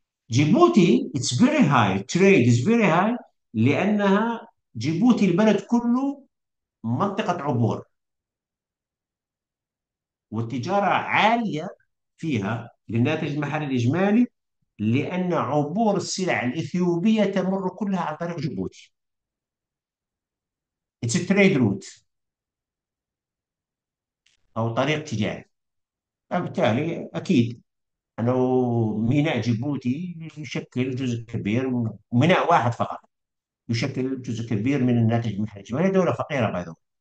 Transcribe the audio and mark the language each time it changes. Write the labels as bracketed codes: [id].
[ar] جيبوتي [en] it's very high trade is very high، [ar] لأنها جيبوتي البلد كله منطقة عبور، والتجارة عالية فيها للناتج المحلي الإجمالي، لأن عبور السلع الإثيوبية تمر كلها عن طريق جيبوتي. [en] It's a trade route [ar] أو طريق تجاري. فبالتالي أكيد أنه ميناء جيبوتي يشكل جزء كبير، ميناء واحد فقط يشكل جزء كبير من الناتج المحلي، وهي دولة فقيرة باي ذا.